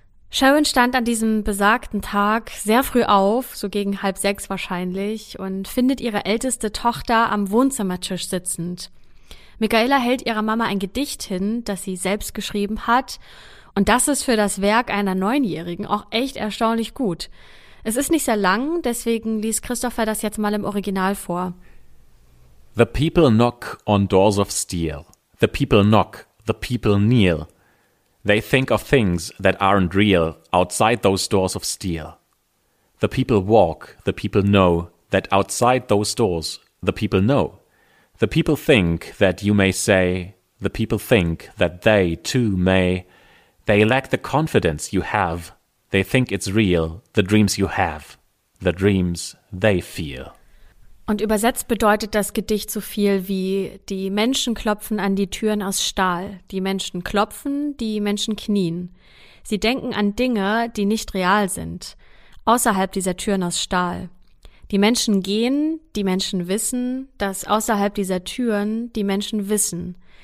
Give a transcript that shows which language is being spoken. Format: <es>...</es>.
<de>Sharon stand an diesem besagten Tag sehr früh auf, so gegen 5:30 wahrscheinlich, und findet ihre älteste Tochter am Wohnzimmertisch sitzend. Michaela hält ihrer Mama ein Gedicht hin, das sie selbst geschrieben hat. Und das ist für das Werk einer 9-Jährigen auch echt erstaunlich gut. Es ist nicht sehr lang, deswegen liest Christopher das jetzt mal im Original vor.</de> <en>The people knock on doors of steel. The people knock, the people kneel. They think of things that aren't real outside those doors of steel. The people walk, the people know that outside those doors the people know. The people think that you may say, the people think that they too may. They lack the confidence you have. They think it's real, the dreams you have. The dreams they feel.</en> <de>Und übersetzt bedeutet das Gedicht so viel wie: Die Menschen klopfen an die Türen aus Stahl. Die Menschen klopfen, die Menschen knien. Sie denken an Dinge, die nicht real sind, außerhalb dieser Türen aus Stahl. Die Menschen gehen, die Menschen wissen, dass außerhalb dieser Türen die Menschen wissen.</de>